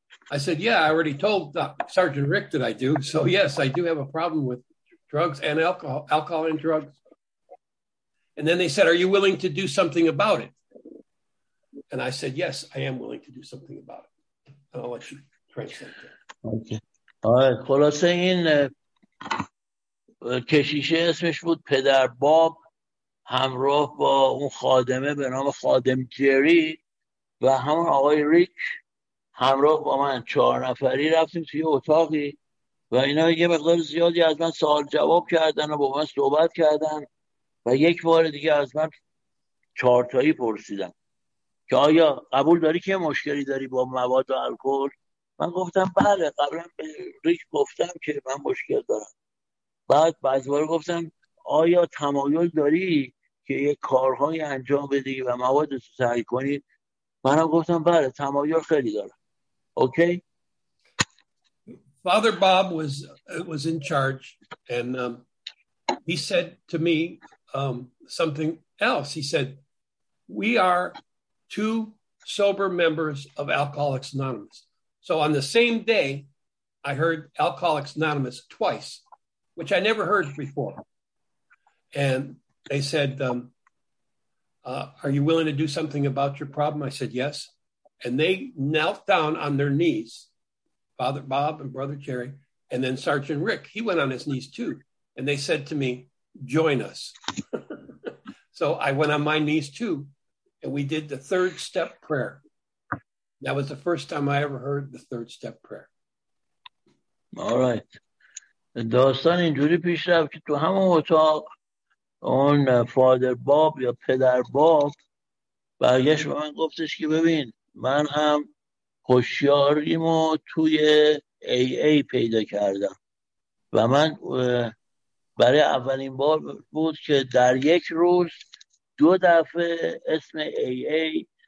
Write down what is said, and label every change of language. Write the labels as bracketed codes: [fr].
[en] I said, yeah, I already told Sergeant Rick that I do. So, yes, I do have a problem with drugs and alcohol and drugs. And then they said, are you willing to do something about it? And I said, yes, I am willing to do something about it. And I'll let you translate that. Okay. All right. [fa] کشیشه اسمش بود پدر باب همراه با اون خادمه به نام خادم جری و همون آقای ریک همراه با من چهار نفری رفتیم توی اتاقی و اینا یه مقدار زیادی از من سوال جواب کردن و با من صحبت کردن و یک بار دیگه از من چهارتایی پرسیدن که آیا قبول داری که مشکلی داری با مواد و الکل؟ من گفتم بله، قبلا به ریک گفتم که من مشکل دارم. بعد بعضی بار گفتم آیا تمایل داری که یک کارهای انجام بدی و مواد رو سعی کنی؟ منم گفتم بله، تمایل خیلی دارم. [en] Okay? Father Bob was in charge and he said to me something else. He said, we are two sober members of Alcoholics Anonymous. So on the same day, I heard Alcoholics Anonymous twice, which I never heard before. And they said, are you willing to do something about your problem? I said, yes. And they knelt down on their knees, Father Bob and Brother Jerry, and then Sergeant Rick, he went on his knees too. And they said to me, join us. So I went on my knees too. And we did the third step prayer. That was the first time I ever heard the third step prayer. All right. [fa] داستان اینجوری پیش رفت که تو همون اتاق اون فادر باب یا پدر باب برگشت به من گفتش که ببین من هم هوشیاریمو توی AA پیدا کردم و من برای اولین بار بود که در یک روز دو دفعه اسم AA